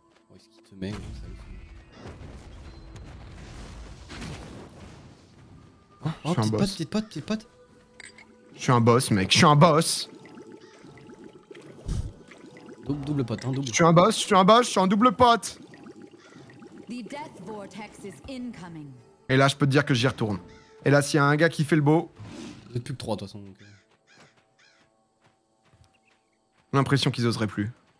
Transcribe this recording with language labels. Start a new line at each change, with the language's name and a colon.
French: Où est-ce qu'il te met, ça le fait. Oh, petite pote. Je suis un boss, mec, je suis un boss. Double pote, hein, double. Je suis un boss, je suis un double pote.
English: The death vortex is incoming.
French: Et là, je peux te dire que j'y retourne. Et là, s'il y a un gars qui fait le beau... Vous êtes plus que 3 de toute façon. Donc... L'impression qu'ils oseraient plus.